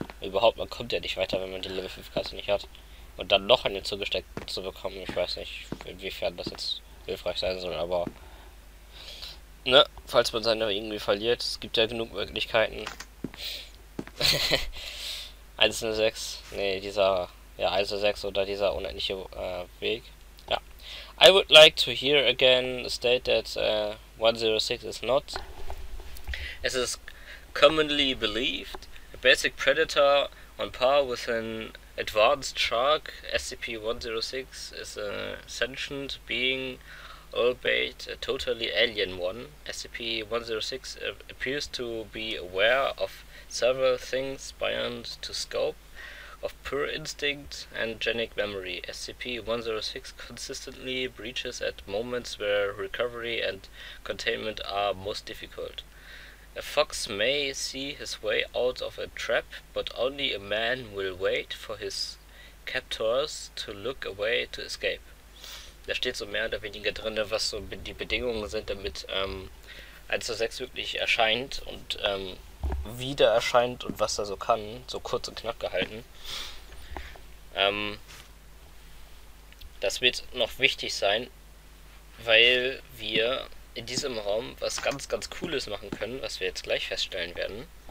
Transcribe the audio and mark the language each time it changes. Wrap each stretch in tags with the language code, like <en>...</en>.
<de>Überhaupt, man kommt ja nicht weiter, wenn man die Level 5 Karte nicht hat. Und dann noch eine zugesteckt zu bekommen, ich weiß nicht, inwiefern das jetzt hilfreich sein soll, aber... Ne, falls man seine irgendwie verliert, es gibt ja genug Möglichkeiten. 106, nee, dieser... Ja, 106 oder dieser unendliche Weg. Ja.</de> <en>I would like to hear again state that 106 is not.</en> <de>Es ist</de> <en>commonly believed, a basic predator on par with an advanced shark, SCP-106 is a sentient being, albeit a totally alien one. SCP-106 appears to be aware of several things beyond to scope of pure instinct and genic memory. SCP-106 consistently breaches at moments where recovery and containment are most difficult. A fox may see his way out of a trap, but only a man will wait for his captors to look away to escape.</en> <de>Da steht so mehr oder weniger drin, was so die Bedingungen sind, damit 1-6 wirklich erscheint und wieder erscheint und was er so kann, so kurz und knapp gehalten. Das wird noch wichtig sein, weil wir in diesem Raum was ganz, ganz Cooles machen können, was wir jetzt gleich feststellen werden.</de>